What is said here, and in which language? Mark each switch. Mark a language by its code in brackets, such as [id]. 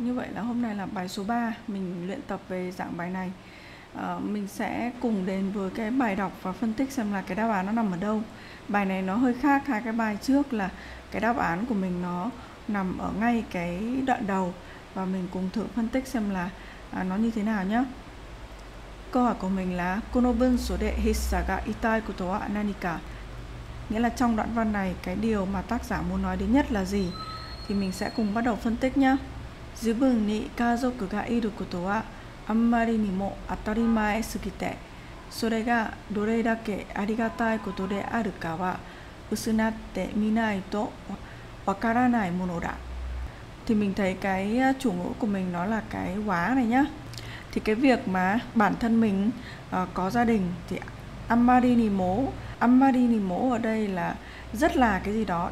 [vi] Như vậy là hôm nay là bài số 3 mình luyện tập về dạng bài này. Mình sẽ cùng đến với cái bài đọc và phân tích xem là cái đáp án nó nằm ở đâu. Bài này nó hơi khác hai cái bài trước là cái đáp án của mình nó nằm ở ngay cái đoạn đầu. Và mình cùng thử phân tích xem là nó như thế nào nhé. Câu hỏi của mình là [ja] この文章で筆者が言いたいことは何か? [vi] Nghĩa là trong đoạn văn này, cái điều mà tác giả muốn nói đến nhất là gì? Thì mình sẽ cùng bắt đầu phân tích nhé. [ja] 自分に家族がいることはあんまりにも当たり前すぎて、それがどれだけありがたいことであるかは薄なってみないとわからないものだ。 [vi] Thì mình thấy cái chủ ngữ của mình nó là cái quá này nhá. Thì cái việc mà bản thân mình có gia đình thì Amarinimo ở đây là rất là cái gì đó.